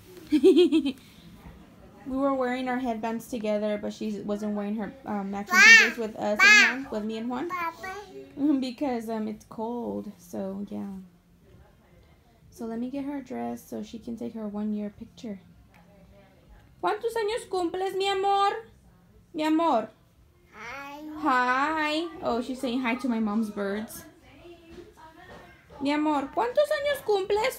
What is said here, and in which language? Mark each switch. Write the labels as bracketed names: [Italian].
[English] We were wearing our headbands together, but she wasn't wearing her matching shoes with us, and Juan, with me and Juan, because it's cold. So yeah. So let me get her dress so she can take her 1 year picture. [Spanish] ¿Cuántos años cumples, mi amor? Mi amor. [English] Hi. Hi. Oh, she's saying hi to my mom's birds. [Spanish] Mi amor, ¿cuántos años cumples?